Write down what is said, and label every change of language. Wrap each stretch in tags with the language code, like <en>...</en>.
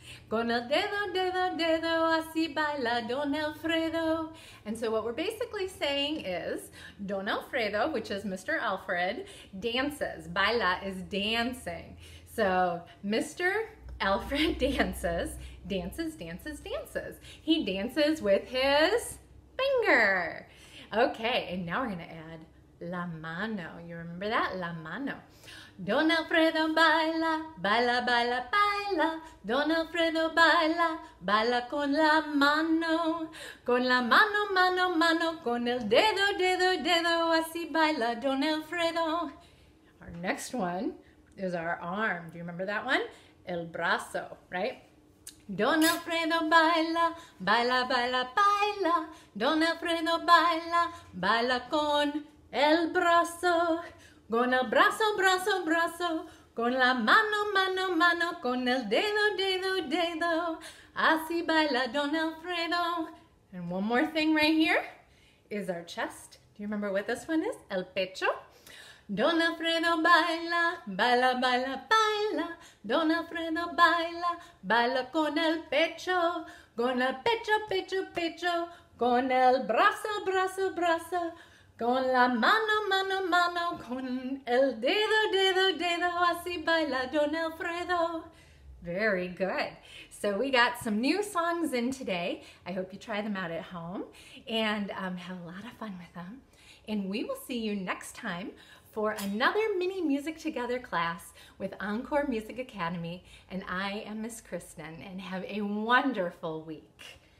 <es>Con el dedo, dedo, dedo, así baila Don Alfredo.</es> <en>And so what we're basically saying is Don Alfredo, which is Mr. Alfred, dances. Baila is dancing. So Mr. Alfred dances, dances, dances, dances. He dances with his finger. Okay, and now we're going to add la mano. You remember that?</en> <es>La mano. Don Alfredo baila, baila, baila, baila. Don Alfredo baila, baila con la mano. Con la mano, mano, mano. Con el dedo, dedo, dedo. Así baila Don Alfredo.</es> <en>Our next one is our arm. Do you remember that one?</en> <es>El brazo, right? Don Alfredo baila, baila, baila, baila. Don Alfredo baila, baila con el brazo, con el brazo, brazo, brazo, con la mano, mano, mano, con el dedo, dedo, dedo, así baila Don Alfredo.</es> <en>And one more thing right here is our chest. Do you remember what this one is?</en> <es>El pecho. Don Alfredo baila, baila, baila, baila. Don Alfredo baila, baila con el pecho, con el pecho, pecho, pecho, con el brazo, brazo, brazo. Con la mano, mano, mano, con el dedo, dedo, dedo, así baila Don Alfredo.</es> <en>Very good. So we got some new songs in today. I hope you try them out at home and have a lot of fun with them. And we will see you next time for another mini Music Together class with Encore Music Academy. And I am Miss Kristen, and have a wonderful week.</en>